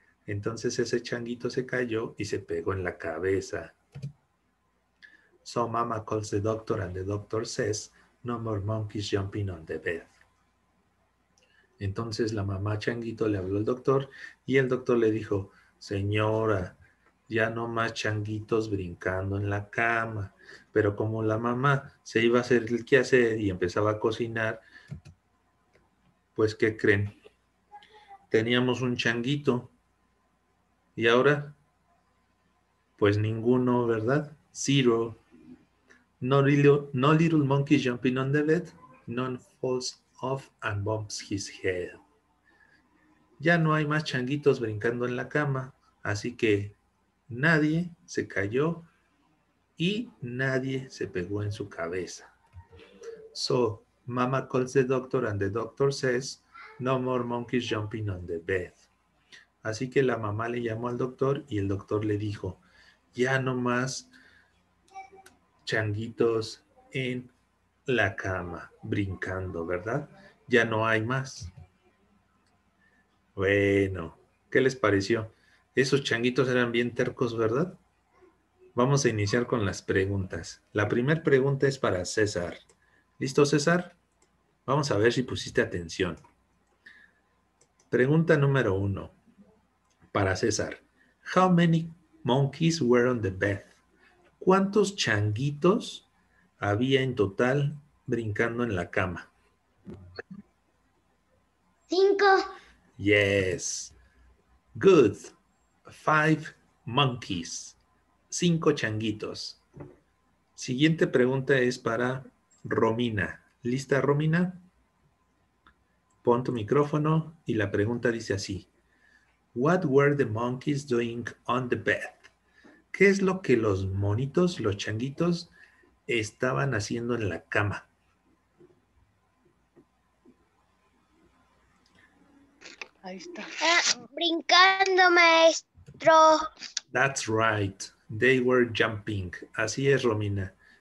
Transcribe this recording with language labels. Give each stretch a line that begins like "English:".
Spanish: Entonces ese changuito se cayó y se pegó en la cabeza.
English: So mama calls the doctor and the doctor says, no more monkeys jumping on the bed.
Spanish: Entonces la mamá changuito le habló al doctor y el doctor le dijo, señora, ya no más changuitos brincando en la cama. Pero como la mamá se iba a hacer el quehacer y empezaba a cocinar, pues ¿qué creen? Teníamos un changuito y ahora, pues ninguno, ¿verdad? Zero.
English: No little monkeys jumping on the bed. None falls off and bumps his head.
Spanish: Ya no hay más changuitos brincando en la cama, así que nadie se cayó y nadie se pegó en su cabeza.
English: So, mama calls the doctor and the doctor says, no more monkeys jumping on the bed.
Spanish: Así que la mamá le llamó al doctor y el doctor le dijo, ya no más changuitos en la cama, brincando, ¿verdad? Ya no hay más. Bueno, ¿qué les pareció? Esos changuitos eran bien tercos, ¿verdad? Vamos a iniciar con las preguntas. La primera pregunta es para César. ¿Listo, César? Vamos a ver si pusiste atención. Pregunta número uno para César.
English: How many monkeys were on the bed?
Spanish: ¿Cuántos changuitos había en total brincando en la cama? Cinco.
English: Yes. Good. Five monkeys.
Spanish: Cinco changuitos. Siguiente pregunta es para Romina. ¿Lista, Romina? Pon tu micrófono y la pregunta dice así.
English: What were the monkeys doing on the bed?
Spanish: ¿Qué es lo que los monitos, los changuitos, estaban haciendo en la cama? Ahí está. Brincando, maestro.
English: That's right. They were jumping.
Spanish: Así es,
English: Romina.